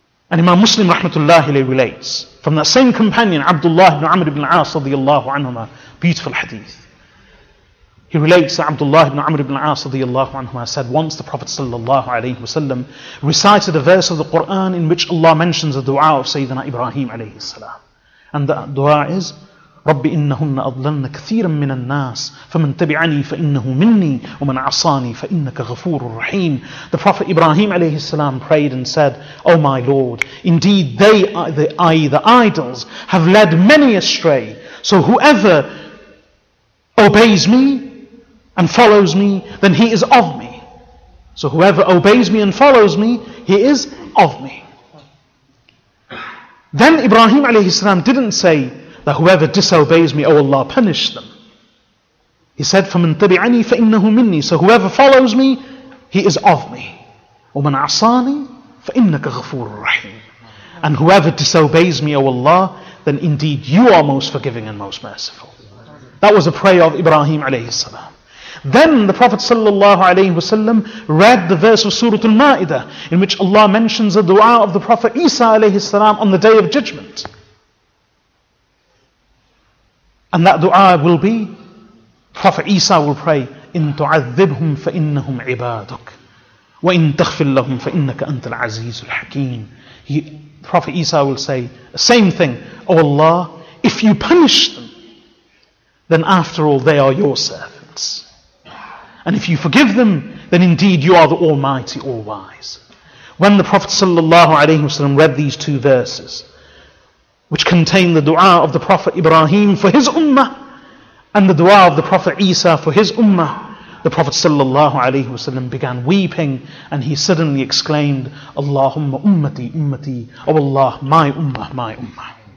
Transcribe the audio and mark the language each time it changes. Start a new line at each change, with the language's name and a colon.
English: And Imam Muslim rahmatullahi alayhi relates from that same companion, Abdullah ibn Amr ibn As radiyallahu anhuma, beautiful hadith. He relates that Abdullah ibn Amr ibn As radiyallahu anhuma said, once the Prophet sallallahu alayhi wasallam recited a verse of the Quran in which Allah mentions the dua of Sayyidina Ibrahim alayhi salam. And that dua is,
Arabic: رَبِّ إِنَّهُنَّ أَضْلَلْنَ كَثِيرًا مِّنَ النَّاسِ فَمَنْ تَبِعَنِي فَإِنَّهُ مِنِّي وَمَنْ عَصَانِي فَإِنَّكَ غَفُورٌ رَحِيمٌ.
English: The Prophet Ibrahim alayhi salam prayed and said, O my Lord, indeed they, the idols, have led many astray. So whoever obeys me and follows me, then he is of me. So whoever obeys me and follows me, he is of me. Then Ibrahim alayhi salam didn't say that whoever disobeys me, O Allah, punish them. He said,
Arabic: فَمَنْ تَبِعَنِي فَإِنَّهُ مِنِّي.
English: So whoever follows me, he is of me.
Arabic: وَمَنْ عَصَانِي فَإِنَّكَ غَفُورٌ رَحِيمٌ.
English: And whoever disobeys me, O Allah, then indeed you are most forgiving and most merciful. That was a prayer of Ibrahim alayhi salam. Then the Prophet sallallahu alayhi wasallam read the verse of Surah Al-Ma'idah in which Allah mentions the dua of the Prophet Isa alayhi salam on the Day of Judgment. And that dua will be, Prophet Isa will pray,
Arabic: إِن تُعَذِّبْهُمْ فَإِنَّهُمْ عِبَادُكَ وَإِن تَغْفِرْ لَهُمْ فَإِنَّكَ أَنْتَ الْعَزِيزُ الْحَكِيمُ.
English: Prophet Isa will say, same thing, O Allah, if you punish them, then after all they are your servants. And if you forgive them, then indeed you are the Almighty, All-Wise. When the Prophet sallallahu alayhi wasallam read these two verses, which contain the dua of the Prophet Ibrahim for his ummah and the dua of the Prophet Isa for his ummah, the Prophet sallallahu alayhi wasallam began weeping and he suddenly exclaimed,
Arabic: Allahumma ummati ummati,
English: O Allah, my ummah, my ummah.